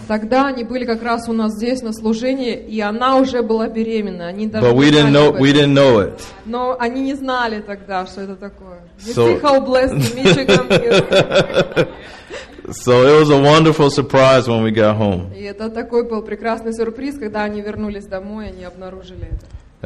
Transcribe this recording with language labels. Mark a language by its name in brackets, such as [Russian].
[Russian] Тогда они были как раз у нас здесь на служении, и она уже была беременна. Они даже. [English] But we didn't know it. [Russian] Но они не знали тогда, что это такое. [English] You see how blessed Michigan is. So it was a wonderful surprise when we got home. [Russian] И это такой был прекрасный сюрприз, когда они вернулись домой, они обнаружили это.